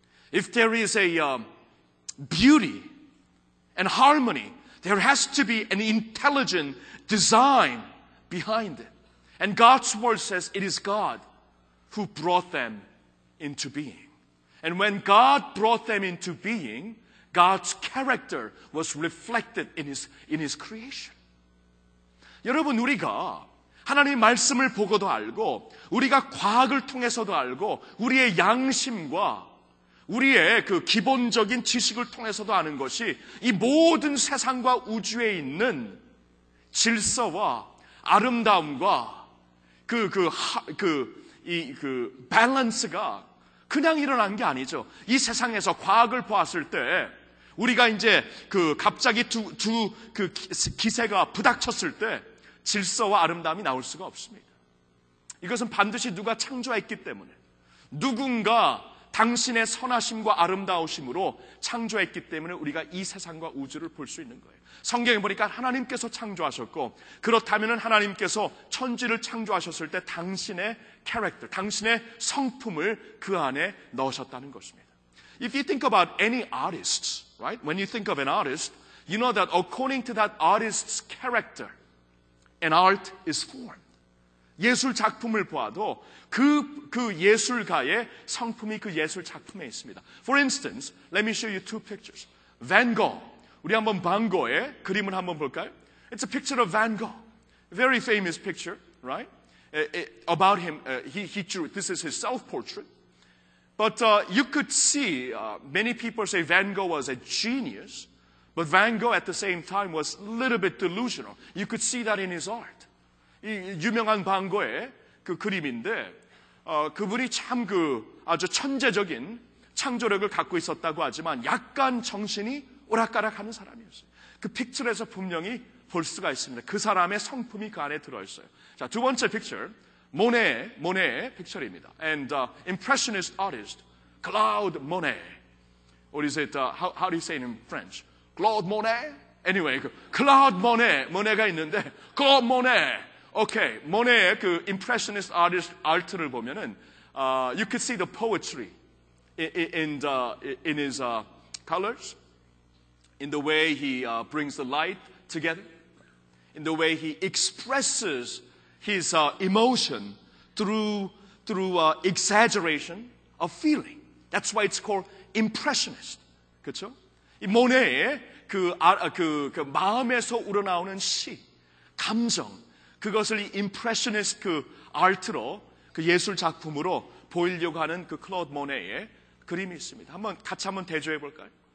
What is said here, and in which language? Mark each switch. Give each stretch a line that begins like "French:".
English: If there is a beauty and harmony, there has to be an intelligent design behind it. And God's word says it is God who brought them into being. And when God brought them into being, God's character was reflected in his creation.
Korean: 여러분, 우리가 하나님의 말씀을 보고도 알고, 우리가 과학을 통해서도 알고, 우리의 양심과 우리의 그 기본적인 지식을 통해서도 아는 것이 이 모든 세상과 우주에 있는 질서와 아름다움과 그 밸런스가 그냥 일어난 게 아니죠. 이 세상에서 과학을 보았을 때 우리가 이제 그 갑자기 두 기세가 부닥쳤을 때 질서와 아름다움이 나올 수가 없습니다. 이것은 반드시 누가 창조했기 때문에, 누군가 당신의 선하심과 아름다우심으로 창조했기 때문에 우리가 이 세상과 우주를 볼 수 있는 거예요. 성경에 보니까 하나님께서 창조하셨고, 그렇다면 하나님께서 천지를 창조하셨을 때 당신의 캐릭터, 당신의 성품을 그 안에 넣으셨다는 것입니다.
English: If you think about any artists, right? When you think of an artist, you know that according to that artist's character, an art is formed.
Korean: 예술 작품을 보아도 그 예술가의 성품이 그 예술 작품에 있습니다.
English: For instance, let me show you two pictures. Van Gogh.
Korean: 우리 한번 Van Gogh의 그림을 한번 볼까요?
English: It's a picture of Van Gogh. Very famous picture, right? About him, he drew, this is his self-portrait. But you could see, many people say Van Gogh was a genius, but Van Gogh at the same time was a little bit delusional. You could see that in his art.
Korean: 이 유명한 반고의 그 그림인데 그분이 참 그 아주 천재적인 창조력을 갖고 있었다고 하지만 약간 정신이 오락가락하는 사람이었어요. 그 픽처에서 분명히 볼 수가 있습니다. 그 사람의 성품이 그 안에 들어있어요. 자, 두 번째 픽처, 모네의 픽처입니다.
English: And impressionist artist Claude Monet. What is it? How do you say it in French? Claude Monet? Anyway, Claude Monet,
Korean: 모네가 있는데
English: Claude Monet. Okay,
Korean: Monet의 그 impressionist artist art를 보면은
English: you could see the poetry in his colors, in the way he brings the light together, in the way he expresses his emotion through exaggeration of feeling. That's why it's called impressionist.
Korean: 그렇죠? 이 모네의 그 마음에서 우러나오는 시, 감정. 그것을 이 impressionist 그 art로, 그 예술 작품으로 보이려고 하는 그 Claude Monet의 그림이 있습니다. 같이 한번 대조해 볼까요?